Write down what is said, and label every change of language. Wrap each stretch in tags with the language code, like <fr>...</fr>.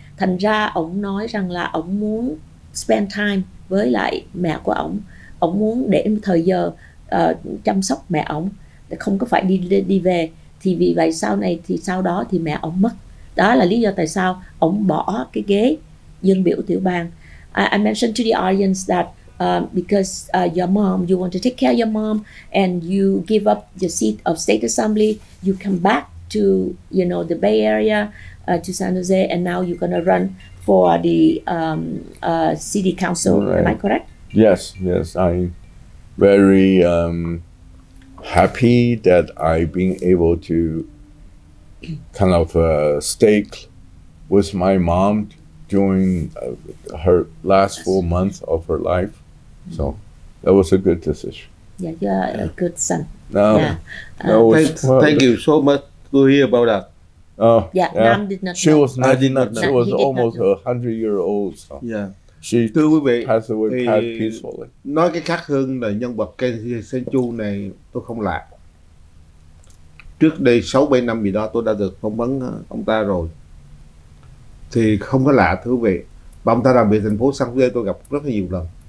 <vi>Thành ra ông nói rằng là ông muốn</vi> <en>spend time</en> <vi>với lại mẹ của ông, ông muốn để thời giờ chăm sóc mẹ ông, không có phải đi về. Thì vì vậy sau này thì sau đó thì mẹ ông mất, đó là lý do tại sao ông bỏ cái ghế dân biểu tiểu bang.</vi> <en>I mentioned to the audience that because your mom, you want to take care of your mom, and you give up your seat of state assembly, you come back to, you know, the Bay Area, to San Jose, and now you're going to run for the city council. Right. Am I correct? Yes, yes. I'm very happy that I've been able to kind of stake with my mom during her last 4 months of her life. Mm-hmm. So that was a good decision. Yeah, you're a good son. No, yeah. No, thank you so much to hear about that. Yeah, Nam did not know. She was almost 100 years old. So. Yeah. She</en> <vi>thưa quý vị,</vi> <en>passed away peacefully.</en> <vi>Nói cái khác hơn là nhân vật Kesson Chu này tôi không lạ. Trước đây 6-7 năm gì đó tôi đã được phỏng vấn ông ta rồi. Thì không có lạ thưa quý vị. Và ông ta làm việc thành phố San Jose tôi gặp rất là nhiều lần.</vi>